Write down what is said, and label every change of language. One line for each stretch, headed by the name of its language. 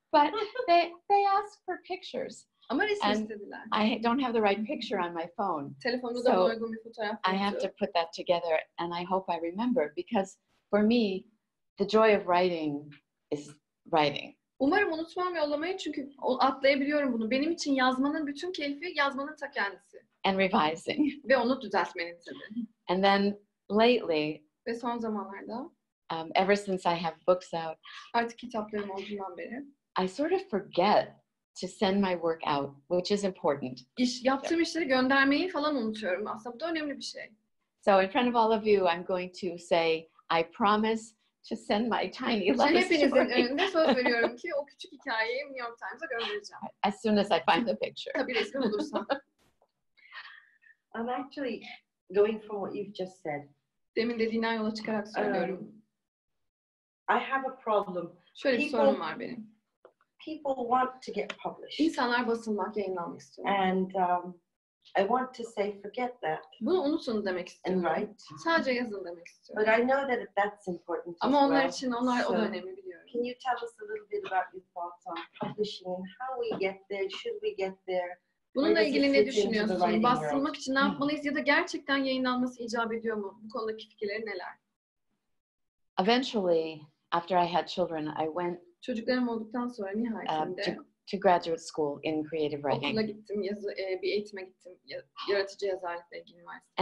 English: But they asked for pictures.
Turkish: Ama resim istediler.
English: I don't have the right picture on my phone.
Turkish: Telefonumda da uygun bir fotoğraf yoktu.
English: I have to put that together and I hope I remember because for me the joy of writing is writing.
Turkish: Umarım unutmam yollamayı çünkü atlayabiliyorum bunu. Benim için yazmanın bütün keyfi yazmanın ta kendisi.
English: And revising.
Turkish: Ve onu düzeltmenin tabii.
English: And then lately.
Turkish: Ve son zamanlarda.
English: Ever since I have books out.
Turkish: Artık kitaplarım olduğundan beri.
English: I sort of forget to send my work out, which is important.
Turkish: Yaptığım işleri göndermeyi falan unutuyorum. Aslında bu da önemli bir şey.
English: So in front of all of you, I'm going to say, I promise to send my tiny love story.
Turkish: Hepinizin önünde söz veriyorum ki o küçük hikayeyi New York Times'a göndereceğim.
English: As soon as I find the picture.
Turkish: Tabii resmi bulursam.
English: I'm actually going from what you've just said.
Turkish: Demin dediğinden yola çıkarak söylüyorum.
English: I have a problem.
Turkish: Şöyle bir sorun var benim.
English: People want to get published.
Turkish: İnsanlar basılmak, yayınlanmak istiyor.
English: And I want to say forget that.
Turkish: Bunu unutun demek istiyorum.
English: And write.
Turkish: Sadece yazın demek istiyorum.
English: But I know that that's important.
Turkish: Ama
English: as
Turkish: onlar
English: well.
Turkish: için onlar so, o da önemli biliyorum.
English: Can you tell us a little bit about your thoughts on publishing and how we get there? Should we get there?
Turkish: Bununla ilgili ne düşünüyorsun? Basılmak için ne yapmalıyız ya da gerçekten yayınlanması icap ediyor mu? Bu konudaki fikirleri neler?
English: Eventually, after I had children, I went
Turkish: çocuklarım olduktan sonra nihayetinde
English: to graduate school in creative writing.
Turkish: Okula gittim, bir eğitime gittim, yaratıcı yazarlıkla ilgili üniversite.